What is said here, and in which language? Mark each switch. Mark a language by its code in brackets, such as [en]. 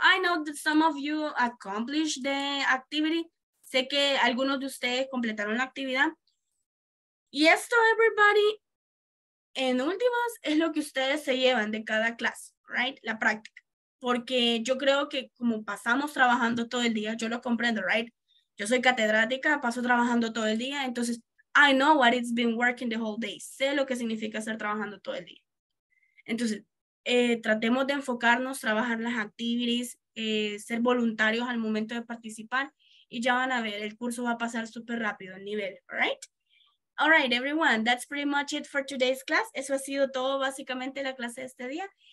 [en] I know that some of you accomplished the activity. [es] Sé que algunos de ustedes completaron la actividad. Y esto, [en] everybody, [es] en últimas, es lo que ustedes se llevan de cada clase, [en] right? [es] La práctica. Porque yo creo que como pasamos trabajando todo el día, yo lo comprendo, [en] right? [es] Yo soy catedrática, paso trabajando todo el día. [en] Entonces, I know what it's been working the whole day. [es] Sé lo que significa estar trabajando todo el día. Entonces, tratemos de enfocarnos, trabajar las activities, ser voluntarios al momento de participar y ya van a ver, el curso va a pasar súper rápido el nivel, [en] right? All right, everyone, that's pretty much it for today's class. [es] Eso ha sido todo básicamente la clase de este día.